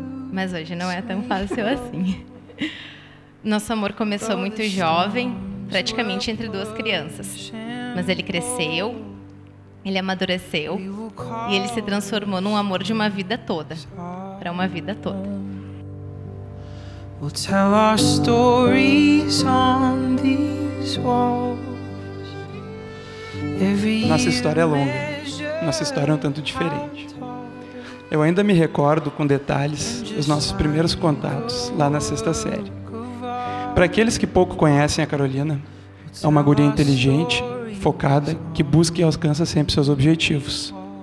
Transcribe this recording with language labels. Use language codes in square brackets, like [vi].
[pt] Mas hoje não é tão fácil assim. Nosso amor começou muito jovem, praticamente entre duas crianças. Mas ele cresceu, ele amadureceu e ele se transformou num amor de uma vida toda. Para uma vida toda. [en] We'll tell our stories on these walls. [pt] Nossa história é longa, nossa história é um tanto diferente. Eu ainda me recordo com detalhes os nossos primeiros contatos lá na sexta série. Para aqueles que pouco conhecem a Carolina, é uma guria inteligente, focada, que busca e alcança sempre seus objetivos.